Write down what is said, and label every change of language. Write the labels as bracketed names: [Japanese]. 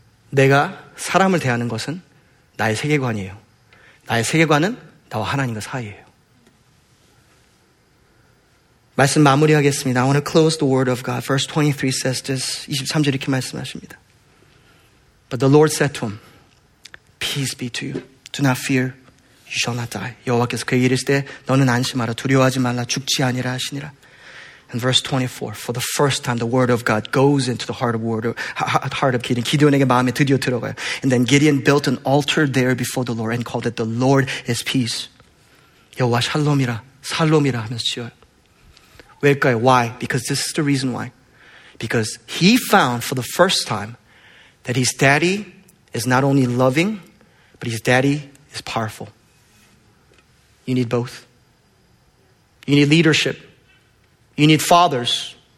[Korean] 내가 사람을 대하는 것은 나의 세계관이에요. 나의 세계관은 나와 하나님과 사이예요. 말씀 마무리하겠습니다. [English] I want to close the word of God. Verse 23 says this. [Korean] 23절 이렇게 말씀하십니다. [English] But the Lord said to him, Peace be to you. Do not fear. You shall not die. [Korean] 여호와께서 그에게 이르시되 너는 안심하라. 두려워하지 말라. 죽지 아니라 하시니라. [English] And verse 24, for the first time, the word of God goes into the heart of Gideon. [Korean] Gideon에게 마음에 드디어 들어가요. [English] And then Gideon built an altar there before the Lord and called it the Lord is peace. [Korean] 여호와 샬롬이라, 샬롬이라 하면서 지어요. 왜일까요? [English] Why? Because this is the reason why. Because he found for the first time that his daddy is not only loving, but his daddy is powerful. You need both. You need leadership. You need fathers.